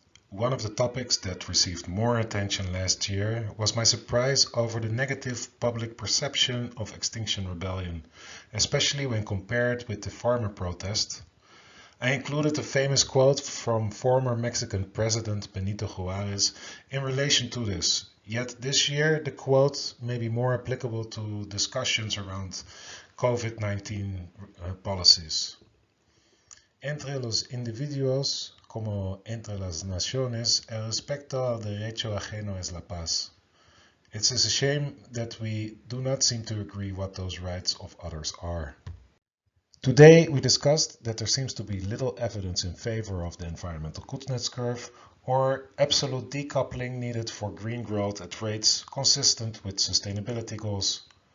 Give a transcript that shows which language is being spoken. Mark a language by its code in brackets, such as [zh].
[en] One of the topics that received more attention last year was my surprise over the negative public perception of Extinction Rebellion, especially when compared with the farmer protest. I included a famous quote from former Mexican president Benito Juárez in relation to this, yet this year the quote may be more applicable to discussions around COVID-19 policies. [es] Entre los individuos, como entre las naciones, el respeto al derecho ajeno es la paz. [en] It is a shame that we do not seem to agree what those rights of others are. Today we discussed that there seems to be little evidence in favor of the environmental Kuznets curve or absolute decoupling needed for green growth at rates consistent with sustainability goals.